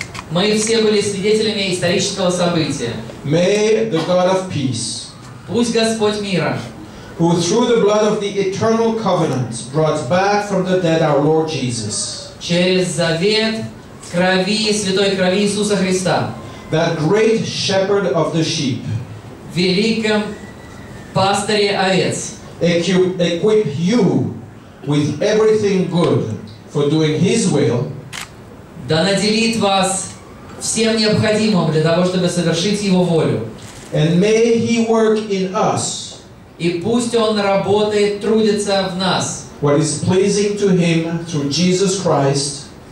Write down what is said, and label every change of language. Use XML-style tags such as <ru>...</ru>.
<ru>Мы все были свидетелями исторического события.</ru> <en>May the God of peace,</en> <ru>пусть Господь мира,</ru> <en>who through the blood of the eternal covenant brought back from the dead our Lord Jesus,</en> <ru>через завет крови святой крови Иисуса Христа,</ru> <en>that great shepherd of the sheep,</en> <ru>великом пастыре овец,</ru> <en>equip you with everything good for doing His will.</en> <ru>Да наделит вас всем необходимым для того, чтобы совершить Его волю.</ru> <en>And may He work in us.</en> <ru>И пусть Он работает, трудится в нас.</ru> <en>What is pleasing to Him through Jesus Christ.</en>